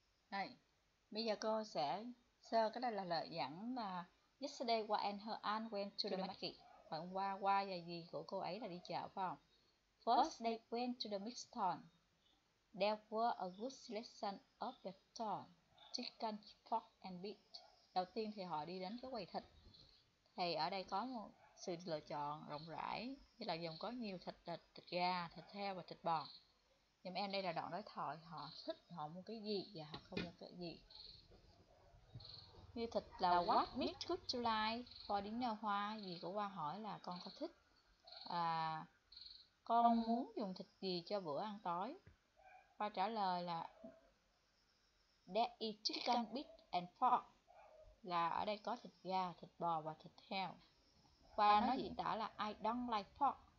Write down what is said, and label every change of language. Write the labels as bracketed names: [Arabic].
[Vietnamese] Này, bây giờ cô sẽ sơ cái này là lời dẫn là [English] yesterday Hua and her aunt went to the market. [Vietnamese] Hôm qua, qua và gì của cô ấy là đi chợ phải không? [English] First, they went to the meat stall. There was a good selection of vegetables, chicken, pork, and beef. [Vietnamese] Đầu tiên thì họ đi đến cái quầy thịt. Thì ở đây có một sự lựa chọn rộng rãi, như là gồm có nhiều thịt, thịt gà, thịt heo và thịt bò. Nhưng em đây là đoạn đối thoại, họ thích, họ mua cái gì và họ không mua cái gì. Như thịt là [English] what meat could you like for dinner Hoa? [Vietnamese] Dì của Hoa hỏi là con có thích con muốn dùng thịt gì cho bữa ăn tối? Hoa trả lời là [English] there is chicken, beef and pork. [Vietnamese] Là ở đây có thịt gà, thịt bò và thịt heo. Hoa nói diễn tả là [English] I don't like pork.